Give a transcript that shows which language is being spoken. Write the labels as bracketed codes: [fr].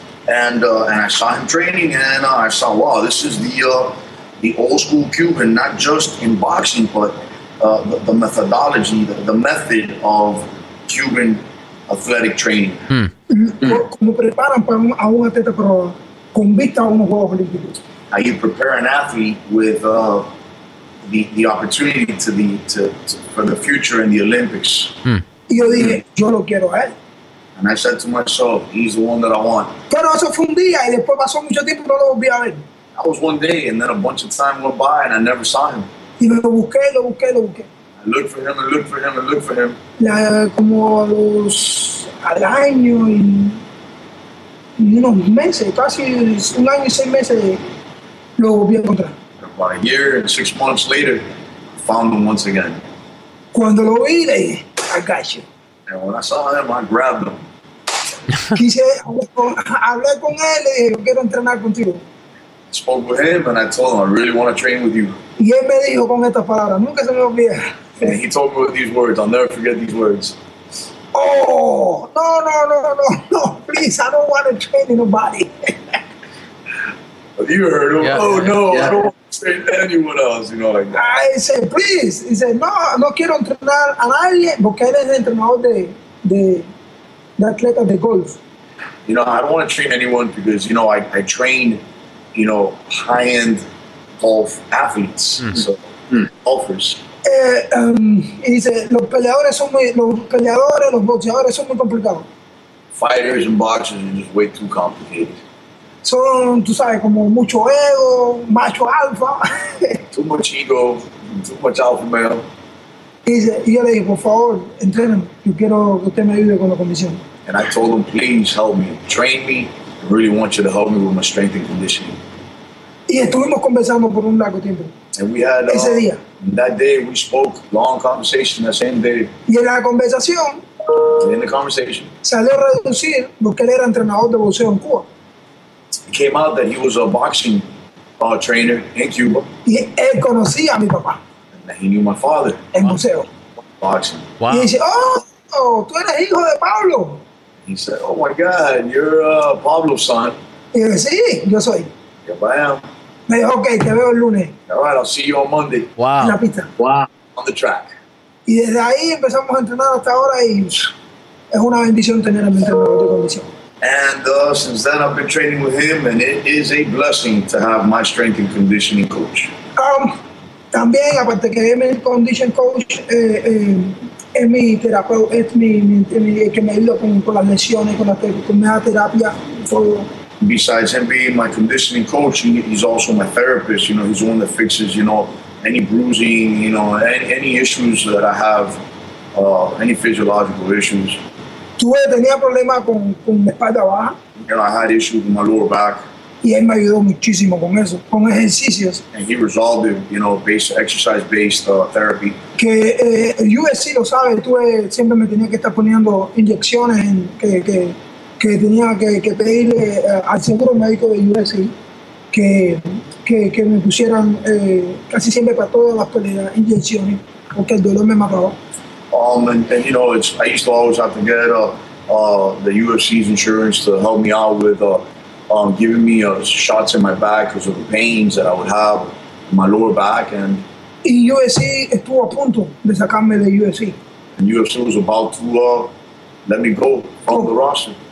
[en] And I saw him training, and I saw, wow, this is the old school Cuban, not just in boxing, but the methodology, the method of Cuban athletic training. [es] Como preparan para a un atleta pro con vista a unos Juegos Olímpicos. [en] How you prepare an athlete with the opportunity to be to for the future in the Olympics. [es] Y yo dije, yo lo quiero a él. [en] And I said to myself, he's the one that I want. [es] Pero eso fue un día y después pasó mucho tiempo y no lo volví a ver. [en] That was one day and then a bunch of time went by and I never saw him. [es] Y lo busqué. [en] I looked for him and looked for him and looked for him. [es] La, como a los al año y unos meses, casi un año y seis meses. [en] About a year and 6 months later, I found him once again. [es] Cuando lo vi, le dije, [en] I got you. And when I saw him, I grabbed him. [es] Quise hablar con él, le dije, quiero entrenar contigo. [en] I spoke with him and I told him, I really want to train with you. [es] Y él me dijo con estas palabras, nunca se me olvida. [en] And he told me with these words, I'll never forget these words. Oh, no, please, I don't want to train anybody. You heard him. Yeah. Oh, no, yeah. I don't want to train anyone else, you know, like that. I said, please. He said, [es] no quiero entrenar a nadie porque él es entrenador de atleta de golf. [en] You know, I don't want to train anyone because, you know, I train, you know, high-end golf athletes, golfers. He said, [es] los boxeadores son muy complicados. [en] Fighters and boxers are just way too complicated. [es] Son, tú sabes, como mucho ego, macho alfa. [en] Too much ego, too much alpha male. [es] Y yo le dije, por favor, entrenen. Yo quiero que usted me ayude con la condición. [en] And I told him, please help me. Train me. I really want you to help me with my strength and conditioning. [es] Y estuvimos conversando por un largo tiempo. [en] And we had, [es] ese día. [en] That day, we spoke long conversation that same day. [es] Y en la conversación. [en] And in the conversation. [es] Salió a reducir porque él era entrenador de boxeo en Cuba. [en] It came out that he was a boxing trainer in Cuba. [es] Y él conocía a mi papá. [en] And he knew my father. [es] En museo. [en] Boxing. Wow. [es] Y dice, oh, tú eres hijo de Pablo. [en] He said, oh my God, you're Pablo's son. [es] Y dice, sí, yo soy. [en] Yep, I am. [es] Me dijo, okay, te veo el lunes. [en] All right, I'll see you on Monday. Wow. [es] En la pista. [en] Wow. On the track. [es] Y desde ahí empezamos a entrenar hasta ahora y es una bendición tener a mi entrenador de condición. [en] And since then, I've been training with him, and it is a blessing to have my strength and conditioning coach. [es] También, aparte que es mi [en] condition coach, [es] es mi terapeuta, es mi que me ayuda con las lesiones, con la terapia. [en] Besides him being my conditioning coach, he's also my therapist. You know, he's the one that fixes, you know, any bruising, you know, any issues that I have, any physiological issues. [es] Tenía problemas con mi espalda baja. [en] You know, I had issues with my lower back. [es] Y él me ayudó muchísimo con eso, con ejercicios. [en] And he resolved it, you know, based exercise-based therapy. [es] Que USC lo sabe, tuve siempre me tenía que estar poniendo inyecciones en, que tenía que pedirle al seguro médico de USC que me pusieran casi siempre para todas las peleas inyecciones porque el dolor me mataba. [en] And you know, I used to always have to get the UFC's insurance to help me out with giving me shots in my back because of the pains that I would have in my lower back. And [es] UFC estuvo a punto de sacarme de UFC. [en] And UFC was about to let me go from the roster.